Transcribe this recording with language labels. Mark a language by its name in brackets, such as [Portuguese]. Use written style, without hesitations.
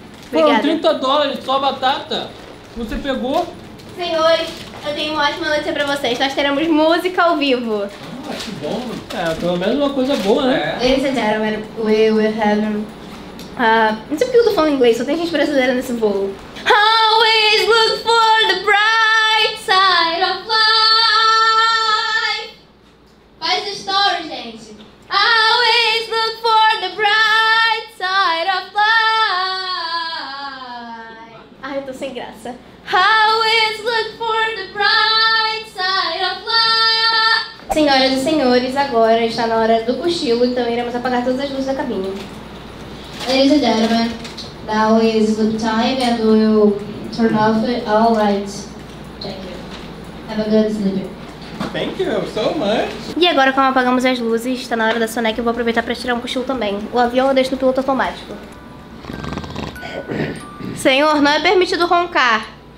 [Portuguese] Foram $30 só batata. Você pegou? Senhores, eu tenho uma ótima notícia pra vocês. Nós teremos música ao vivo. Ah, que bom. É, pelo menos uma coisa boa, né? [English] Ladies and gentlemen, we will have... [Portuguese] não sei porque eu tô falando inglês, só tem gente brasileira nesse voo. [English] Always look for the bright side of life. [Portuguese] Faz a story, gente. [English] Always look for the bright side of life. [Portuguese] Ai, eu tô sem graça. [English] Always look for the bright side of life. [Portuguese] Senhoras e senhores, agora está na hora do cochilo, então iremos apagar todas as luzes da cabine. [English] Ladies and gentlemen, now is the time and we'll turn off all lights. Thank you. Have a good sleep. Thank you so much. [Portuguese] E agora, como apagamos as luzes, está na hora da soneca e vou aproveitar para tirar um cochilo também. O avião eu deixo no piloto automático. Senhor, não é permitido roncar.